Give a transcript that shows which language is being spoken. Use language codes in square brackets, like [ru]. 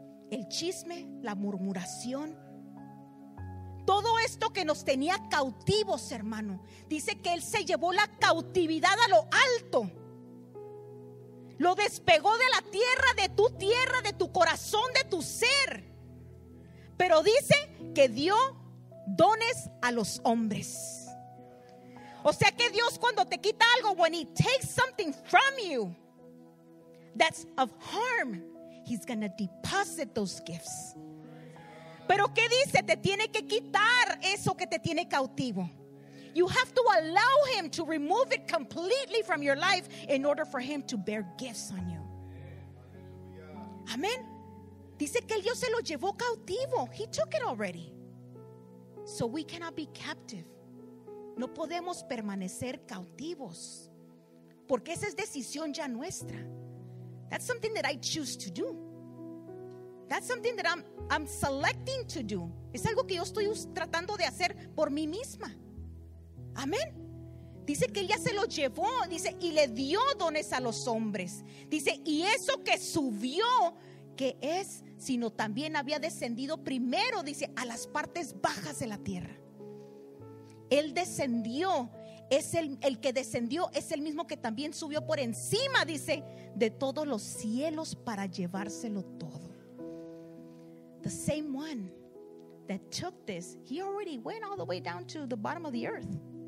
[es] El chisme, la murmuración, todo esto que nos tenía cautivos, hermano. Dice que él se llevó la cautividad a lo alto. Lo despegó de la tierra, de tu corazón, de tu ser. Pero dice que dio dones a los hombres. O sea que Dios, cuando te quita algo, [en] when he takes something from you that's of harm, he's going to deposit those gifts. [es] Pero ¿qué dice? Te tiene que quitar eso que te tiene cautivo. [en] You have to allow him to remove it completely from your life in order for him to bear gifts on you. [es] Amén. Dice que Dios se lo llevó cautivo. [en] He took it already. So we cannot be captive. [es] No podemos permanecer cautivos. Porque esa es decisión ya nuestra. [en] That's something that I choose to do. That's something that I'm selecting to do. [es] Es algo que yo estoy tratando de hacer por mí misma. Amén. Dice que ella se lo llevó, dice, y le dio dones a los hombres. Dice, y eso que subió, que es, sino también había descendido primero, dice, a las partes bajas de la tierra. Él descendió, es el que descendió, es el mismo que también subió por encima, dice, de todos los cielos para llevárselo todo. [en] The same one that took this, he already went all the way down to the bottom of the earth.